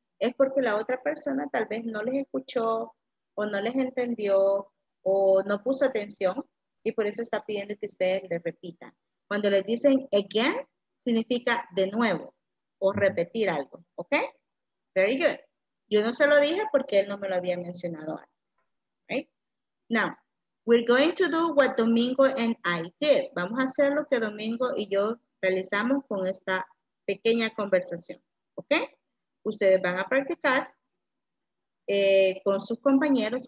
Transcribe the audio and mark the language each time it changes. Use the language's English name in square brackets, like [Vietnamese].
[Spanish] Es porque la otra persona tal vez no les escuchó o no les entendió o no puso atención y por eso está pidiendo que ustedes le repitan. Cuando les dicen again, significa de nuevo o repetir algo. ¿Ok? [English] Very good. [Spanish] Yo no se lo dije porque él no me lo había mencionado antes. [English] Right? Now, we're going to do what Domingo and I did. [Spanish] Vamos a hacer lo que Domingo y yo realizamos con esta pequeña conversación. ¿Ok? Ustedes van a practicar con sus compañeros.